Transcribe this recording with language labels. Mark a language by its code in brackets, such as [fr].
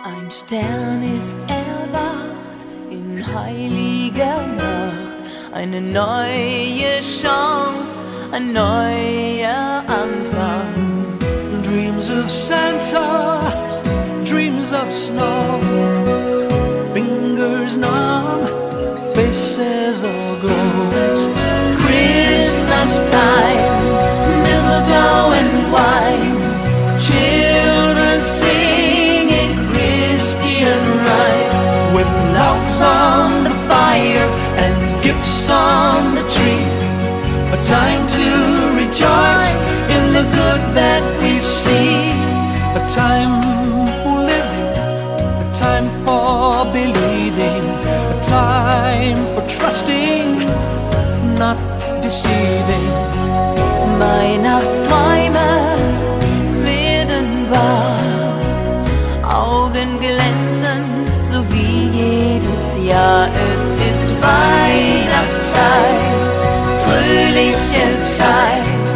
[de] Stern ist erwacht in heiliger Nacht. Eine neue Chance, ein neuer Anfang. [en] Dreams of Santa, dreams of snow. Fingers numb, faces aglow. It's Christmas time, mistletoe and wine. Children singing Christian rhyme. With logs on the fire and gifts on the tree. A time to rejoice in the good that we see. A time for living, a time for believing. A time for trusting, not deceiving. [de] Weihnachtsträume werden wahr. Augen glänzen, so wie jedes Jahr. Es ist Weihnachtszeit, fröhliche Zeit.